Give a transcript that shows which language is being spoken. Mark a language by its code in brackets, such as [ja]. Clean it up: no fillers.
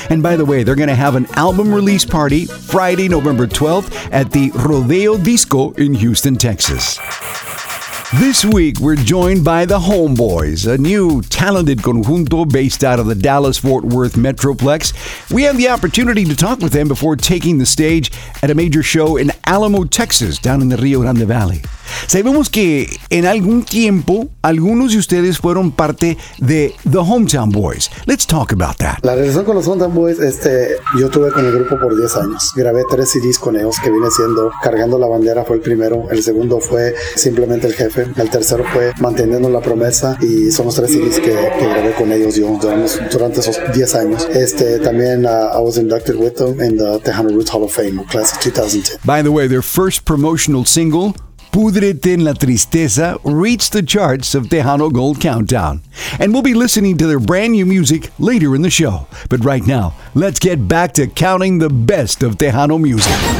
[en] And by the way, they're going to have an album release party Friday, November 12th at the Rodeo Disco in Houston, Texas. This week, we're joined by the Homeboys, a new talented conjunto based out of the Dallas-Fort Worth Metroplex. We had the opportunity to talk with them before taking the stage at a major show in Alamo, Texas, down in the Rio Grande Valley. [es] Sabemos que en algún tiempo, algunos de ustedes fueron parte de The Hometown Boys. [en] Let's talk about that. [es] La relación con los Hometown Boys, yo tuve con el grupo por 10 años. Grabé 3 CDs con ellos, que viene siendo Cargando la Bandera fue el primero. El segundo fue Simplemente el Jefe. El tercero fue Manteniendo la Promesa. Y son los 3 CDs que grabé con ellos yo durante esos 10 años. [en] También I was inducted with them in the Tejano Roots Hall of Fame, Class of 2010. By the way, their first promotional single, Púdrete en la Tristeza, reached the charts of Tejano Gold Countdown. And we'll be listening to their brand new music later in the show. But right now, let's get back to counting the best of Tejano music.